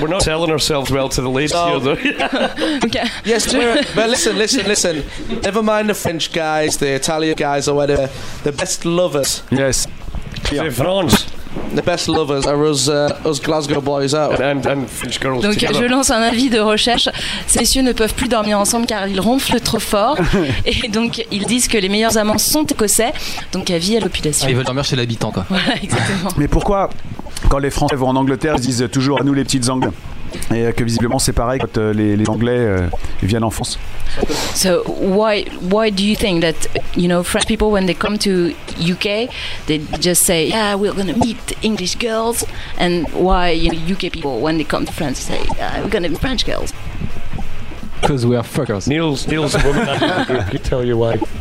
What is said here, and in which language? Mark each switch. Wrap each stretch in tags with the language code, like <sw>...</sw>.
<en>We're not telling ourselves well to the ladies. Okay. Yes, but listen. Never mind the French guys, the Italian guys, or whatever. The best lovers. Yes. Yeah. France. The best lovers are us Glasgow boys out. And French girls.</en> <fr>Donc</fr> <en>together.</en> <fr>Je lance un avis de recherche. Ces messieurs ne peuvent plus dormir ensemble car ils ronflent trop fort. Et donc ils disent que les meilleurs amants sont écossais. Donc avis à l'opulation. Ah, ils veulent dormir chez l'habitant, quoi. Voilà, exactement. Mais pourquoi, quand les Français vont en Angleterre, ils disent toujours à nous les petites Anglais? Et que visiblement c'est pareil quand les Anglais viennent en France.</fr> <en>So why do you think that, you know, French people when they come to UK they just say yeah we're gonna meet English girls, and why, you know, UK people when they come to France say we're gonna meet French girls? Because we are fuckers. Neil's a woman. I can tell you why.</en>